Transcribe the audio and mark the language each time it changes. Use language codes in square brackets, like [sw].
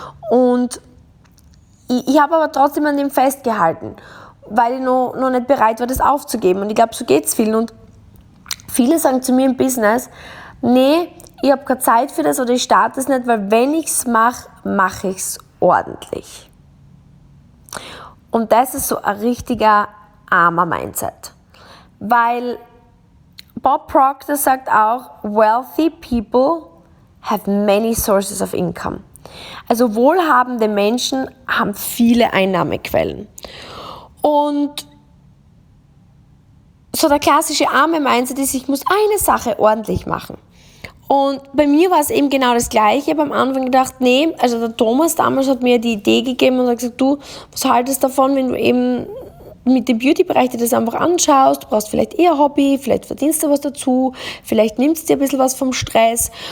[de] Und ich habe aber trotzdem an dem festgehalten, weil ich noch nicht bereit war, das aufzugeben. Und ich glaube, so geht es vielen. Und viele sagen zu mir im Business, nee, ich habe keine Zeit für das oder ich starte es nicht, weil wenn ich es mache, mache ich es ordentlich. Und das ist so ein richtiger armer Mindset. Weil Bob Proctor sagt auch, [en] wealthy people have many sources of income. [de] Also wohlhabende Menschen haben viele Einnahmequellen. Und so der klassische arme Mindset ist, ich muss eine Sache ordentlich machen. Und bei mir war es eben genau das Gleiche. Ich habe am Anfang gedacht, nee, also der Thomas damals hat mir die Idee gegeben und hat gesagt, du, was haltest du davon, wenn du eben mit dem Beauty-Bereich dir das einfach anschaust, du brauchst vielleicht eher Hobby, vielleicht verdienst du was dazu, vielleicht nimmst du dir ein bisschen was vom Stress.